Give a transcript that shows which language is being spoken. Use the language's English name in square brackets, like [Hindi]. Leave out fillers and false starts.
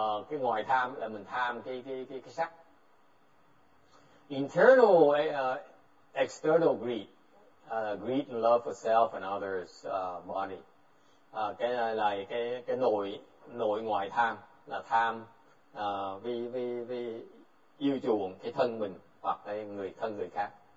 [Vietnamese] Cái ngoài tham là mình tham cái sắc. [English] Internal, external greed, greed and love for self and others, money. [Vietnamese] Cái này là cái nội ngoại tham là tham vì yêu chuộng cái thân mình hoặc cái người thân người khác.